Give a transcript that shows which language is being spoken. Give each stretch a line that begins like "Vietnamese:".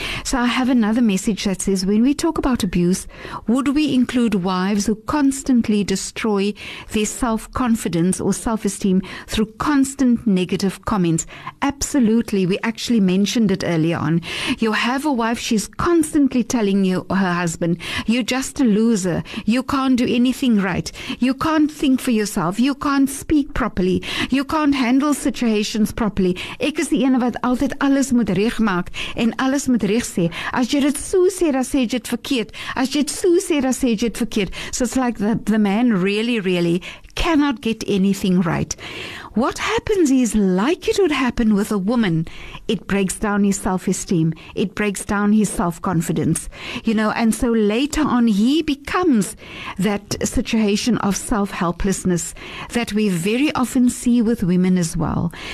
English: So I have another message that says, when we talk about abuse, would we include wives who constantly destroy their self-confidence or self-esteem through constant negative comments? Absolutely. We actually mentioned it early on. You have a wife, she's constantly telling you, her husband, you're just a loser. You can't do anything right. You can't think for yourself. You can't speak properly. You can't handle situations properly.
Afrikaans: Ek is die ene wat altyd alles moet regmaak en alles moet reg sê. As jy dit so sê, dan sê jy dit verkeerd. As jy dit so sê, dan sê jy dit verkeerd.
English: So it's like the man really, really cannot get anything right. What happens is, like it would happen with a woman, it breaks down his self-esteem. It breaks down his self-confidence. You know, and so later on, he becomes that situation of self-helplessness that we very often see with women as well.